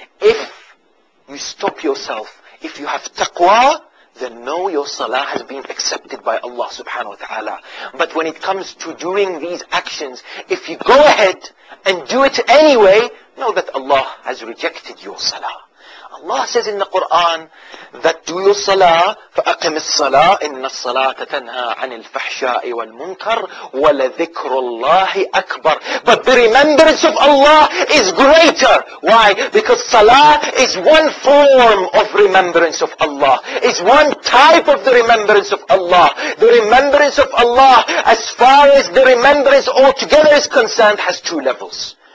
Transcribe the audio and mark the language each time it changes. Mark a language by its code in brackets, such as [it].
[en] If you stop yourself, if you have taqwa, then know your salah has been accepted by Allah subhanahu wa ta'ala. But when it comes to doing these actions, if you go ahead and do it anyway, know that Allah has rejected your salah." Allah says in the Quran that do your salah, [ar] فَأَقِمِ الصَّلَاةِ إِنَّ الصَّلَاةَ تَنْهَى عَنِ الْفَحْشَاءِ وَالْمُنْكَرِ وَلَذِكْرُ اللَّهِ أَكْبَرُ. [en] But the remembrance of Allah is greater. Why? Because salah is one form of remembrance of Allah. It's one type of the remembrance of Allah. The remembrance of Allah, as far as the remembrance altogether is concerned, has two levels.